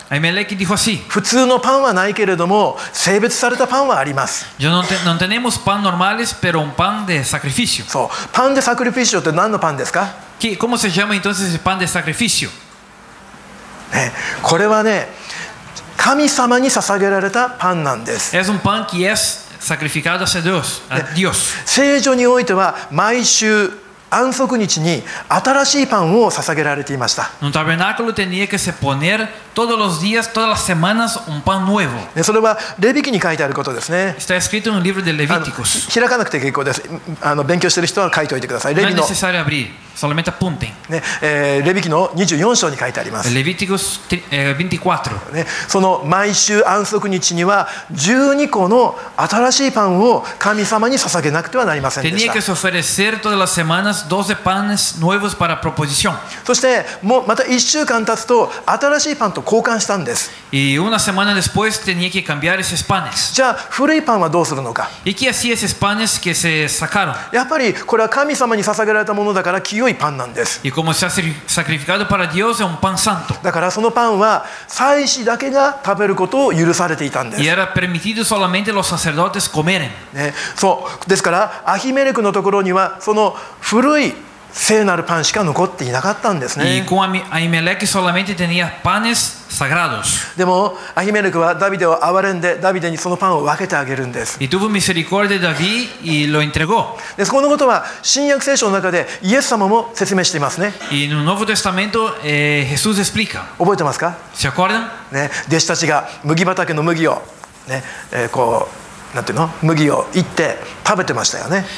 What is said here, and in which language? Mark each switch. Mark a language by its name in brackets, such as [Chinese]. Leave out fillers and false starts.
[Spanish] アイメレキ dijo así。 [Japanese] 普通のパンはないけれども、性別されたパンはあります。 [Spanish] Yo no tenemos pan normales, pero un pan de sacrificio。 [Japanese] そう、パンでサクリフィシオって何のパンですか？ [Spanish] Que, ¿cómo se llama entonces el pan de sacrificio? [Japanese] ね、これはね、神様に捧げられたパンなんです。 [Spanish] Es un pan que es sacrificado hacia Dios, a Dios。 [Japanese] 聖書においては毎週安息日に新しいパンを捧げられていました。 [Spanish] No tabernáculo tenía que se poner todos los días, todas las semanas un pan nuevo. [Japanese] それはレビキに書いてあることですね。 [Spanish] Está escrito en el libro de Levíticos. [Japanese] 開かなくて結構です。勉強している人は書いておいてください。レビの。 [Spanish] No es necesario abrir, solamente apunten. [Japanese] ね、レビキの24章に書いてあります。 [Spanish] Levíticos 24. [Japanese] ね、その毎週安息日には12個の新しいパンを神様に捧げなくてはなりませんでした。 [Spanish] Tenía que se ofrecer todas las semanas12 panes nuevos para proposición. [Japanese] そしてもうまた1週間経つと新しいパンと交換したんです。 [Spanish] Y una semana después tenía que cambiar esos panes. [Japanese] じゃあ古いパンはどうするのか。 [Spanish] ¿Y qué hacía esos panes que se sacaron? [Japanese] やっぱりこれは神様に捧げられたものだから清いパンなんです。 [Spanish] Y como se ha sacrificado para Dios es un pan santo. [Japanese] だからそのパンは祭司だけが食べることを許されていたんです。 [Spanish] Y era permitido solamente los sacerdotes comer. [Japanese] ね、そうですからアヒメレクのところにはその古い聖なるパンしか残っていなかったんですね。 [Spanish] Y con Ahimelech solamente tenía panes sagrados. [Japanese] でもアヒメレクはダビデを憐れんでダビデにそのパンを分けてあげるんです。 [Spanish] Y tuvo misericordia de David y lo entregó. [Japanese] でこのことは新約聖書の中でイエス様も説明していますね。 [Spanish] Y en el Nuevo Testamento, Jesús explica. [Japanese] 覚えてますか？ [Spanish] ¿Se acuerdan? [Japanese] ね、弟子たちが麦畑の麦をね、こう。なんていうの？麦を煎って食べてましたよね。